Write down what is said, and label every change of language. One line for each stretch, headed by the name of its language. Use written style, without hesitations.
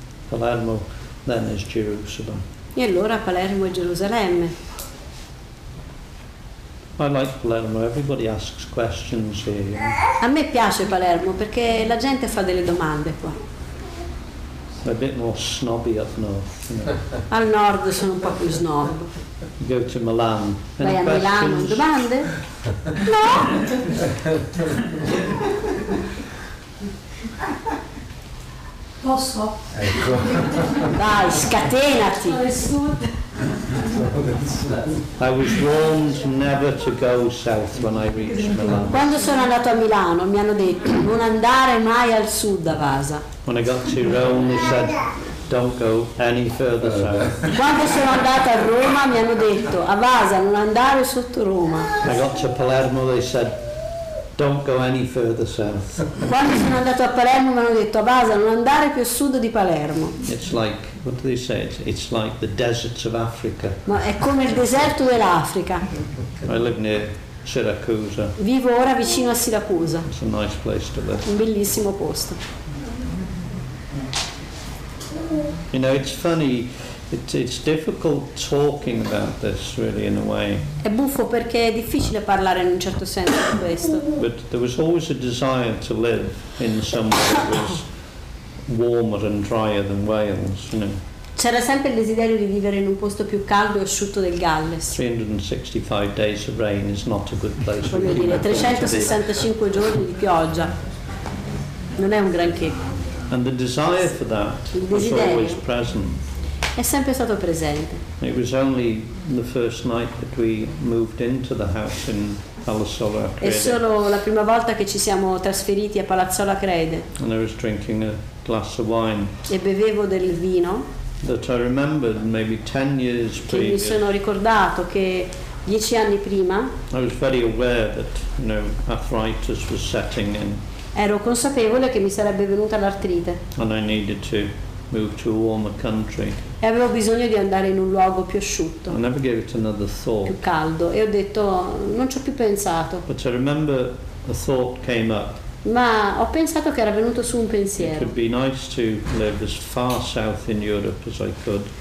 English: Palermo then is Jerusalem.
Italian: E allora Palermo e Gerusalemme.
English: I like Palermo, everybody asks questions here.
Italian: A me piace Palermo perché la gente fa delle domande qua.
English: A bit more snobby up north, you know.
Italian: Al nord sono un po' più snob.
English: You go to Milan.
Italian: Vai a Milano, domande? No! Posso? Ecco. Dai, scatenati!
English: I was warned never to go south when I reached Milan.
Italian: Quando sono andato a Milano mi hanno detto non andare mai al sud a Vasa.
English: When I got to Rome they said don't go any further south.
Italian: Quando sono andato a Roma mi hanno detto a Vasa non andare sotto Roma.
English: When I got to Palermo they said don't go any further south.
Italian: Quando sono andato a Palermo mi hanno detto a Vasa non andare più a sud di Palermo.
English: It's like, what do they say? It's like the deserts of Africa.
Italian: Ma è come il deserto dell'Africa.
English: I live near Siracusa.
Italian: Vivo ora vicino a Siracusa.
English: It's a nice place to live.
Italian: Un bellissimo posto.
English: You know, it's funny. It's difficult talking about this, really, in a way.
Italian: È buffo perché è difficile parlare in un certo senso di questo.
English: But there was always a desire to live in some way that was warmer and drier than Wales, you know.
Italian: C'era sempre il desiderio di vivere in un posto più caldo e asciutto del Galles.
English: 365 days of rain is not a good place.
Italian: Voglio dire, 365 giorni di pioggia non è un granché.
English: And the desire for that was always present.
Italian: È sempre stato presente.
English: It was only the first night that we moved into the house in Palazzola Crede.
Italian: È solo la prima volta che ci siamo trasferiti a Palazzola Crede.
English: And I was drinking a glass of wine.
Italian: E bevevo del vino.
English: That I remembered maybe 10 years previous.
Italian: Che mi sono ricordato che 10 anni prima.
English: I was very aware that, you know, arthritis was setting in.
Italian: Ero consapevole che mi sarebbe venuta l'artrite.
English: And I needed to move to a warmer country.
Italian: E avevo bisogno di andare in un luogo più asciutto.
English: I never gave it another thought.
Italian: Più caldo. E ho detto, non ci ho più pensato.
English: But I remember a thought came up.
Italian: Ma ho pensato che era venuto su un pensiero.
English: It would be nice to live as far south in Europe as I could.